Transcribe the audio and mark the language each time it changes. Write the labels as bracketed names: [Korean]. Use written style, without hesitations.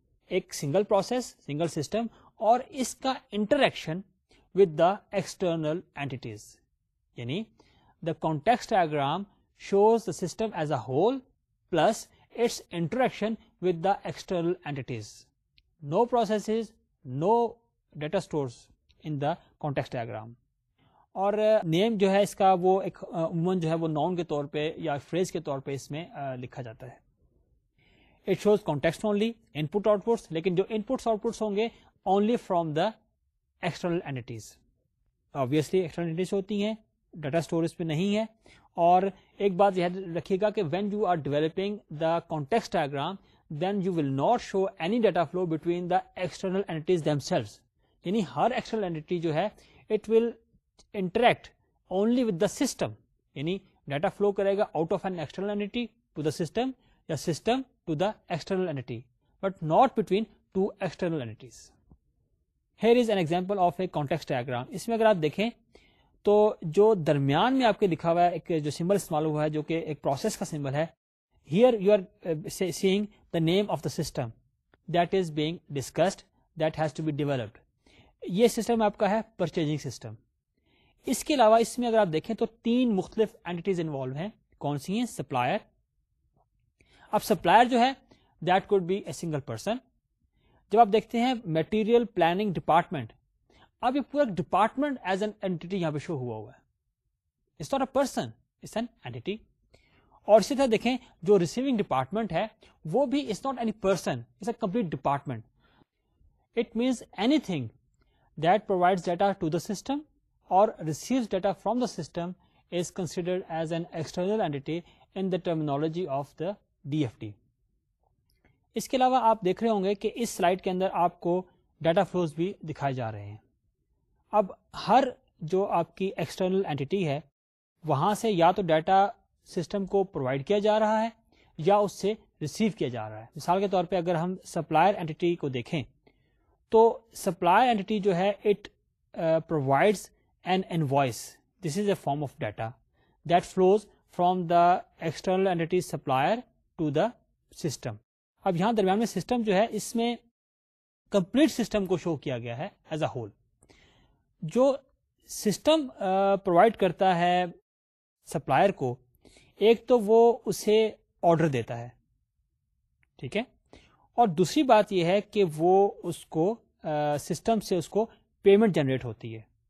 [English] ایک single process, single system [Urdu] اور اس کا [English] Interaction with the external entities, یعنی the context diagram shows the system as a whole plus its interaction with the external entities. No processes, no data stores in the context diagram. [Urdu] اور نیم جو ہے اس کا وہ ایک عموماً جو ہے وہ نام کے طور پہ یا فریز کے طور پہ اس میں لکھا جاتا ہے. [English] it shows context only input outputs, [Urdu] لیکن جو ان پٹس آؤٹ پٹس ہوں گے [English] Only from the external entities. [Urdu] Obviously external اینٹیز ہوتی ہیں، ڈیٹا اسٹوریج پہ نہیں ہے. اور ایک بات یاد رکھیے گا کہ [English] When you are developing the context diagram then you will not show any data flow between the external entities themselves. [Urdu] یعنی ہر [English] External entities جو ہے it will interact only with the system. [Urdu] یعنی ڈیٹا فلو کرے گا [English] Out of an external entity to the system یا system to the external entity, but not between two external entities. Here is an example of a context diagram. [Urdu] اس میں اگر آپ دیکھیں تو جو درمیان میں آپ کے لکھا ہوا ہے ایک جو سمبل استعمال ہوا ہے جو کہ ایک پروسیس کا سمبل ہے، [English] Here you are seeing the name of the system that is being discussed that has to be developed. [Urdu] یہ سسٹم آپ کا ہے پرچیزنگ سسٹم. اس کے علاوہ اس میں اگر آپ دیکھیں تو تین مختلف اینٹیز انوالو ہیں. کون سی ہیں؟ سپلائر. اب سپلائر جو ہے [English] That could be a single person. [Urdu] جب آپ دیکھتے ہیں مٹیریل پلاننگ ڈپارٹمنٹ، اب یہ پورا ڈپارٹمنٹ ایز این اینٹیٹی یہاں پہ شو ہوا ہوا ہے. [English] It's not a person, it's an entity. [Urdu] اور اسی طرح دیکھیں جو ریسیونگ ڈپارٹمنٹ ہے وہ بھی [English] It's not any person, it's a complete department. It means anything that provides data to the system or receives data from the system is considered as an external entity in the terminology of the DFT. [Urdu] اس کے علاوہ آپ دیکھ رہے ہوں گے کہ اس slide کے اندر آپ کو ڈیٹا فلوز بھی دکھائے جا رہے ہیں. اب ہر جو آپ کی ایکسٹرنل اینٹیٹی ہے وہاں سے یا تو ڈیٹا سسٹم کو پرووائڈ کیا جا رہا ہے یا اس سے ریسیو کیا جا رہا ہے. مثال کے طور پہ اگر ہم سپلائر اینٹیٹی کو دیکھیں تو سپلائر اینٹیٹی جو ہے [English] It provides an invoice. This is a form of data that flows from the external entity supplier to the system. [Urdu] اب یہاں درمیان میں سسٹم جو ہے اس میں کمپلیٹ سسٹم کو شو کیا گیا ہے ایز اے ہول. جو سسٹم پرووائڈ کرتا ہے سپلائر کو، ایک تو وہ اسے آرڈر دیتا ہے، ٹھیک ہے، اور دوسری بات یہ ہے کہ وہ اس کو سسٹم سے اس کو پیمنٹ جنریٹ ہوتی ہے.